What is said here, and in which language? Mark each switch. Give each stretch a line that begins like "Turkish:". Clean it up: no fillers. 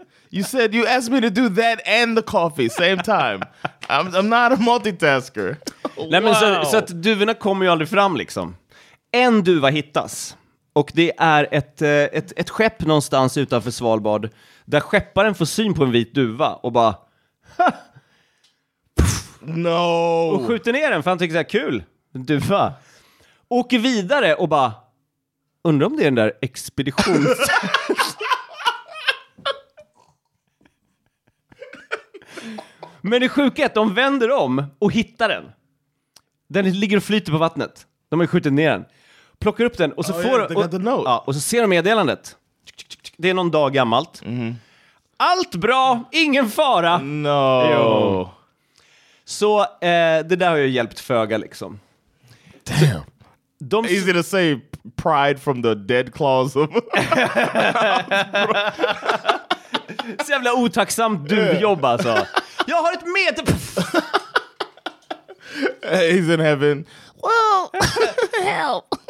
English: You said you asked me to do that and the coffee, same time. I'm not a multitasker.
Swedish: Nej, wow. Men så att duvorna kommer ju aldrig fram, liksom. En duva hittas. Och det är ett skepp någonstans utanför Svalbard. Där skepparen får syn på en vit duva och bara...
English: No!
Swedish: Och skjuter ner den för han tycker det är kul. Duva. Åker vidare och bara... Undrar om det är den där expeditions... Men det sjuka är att de vänder om och hittar den. Den ligger och flyter på vattnet. De har skjutit ner den. Plockar upp den och så och så ser de meddelandet. Det är någon dag gammalt. Mm. Allt bra, ingen fara.
English: No.
Swedish: Jo. Så det där har ju hjälpt föga liksom.
English: Damn. Easy to say pride from the dead claws of.
Swedish: Så jävla otacksamt du jobbar alltså. Jag har ett med.
English: He's in heaven. Well, help.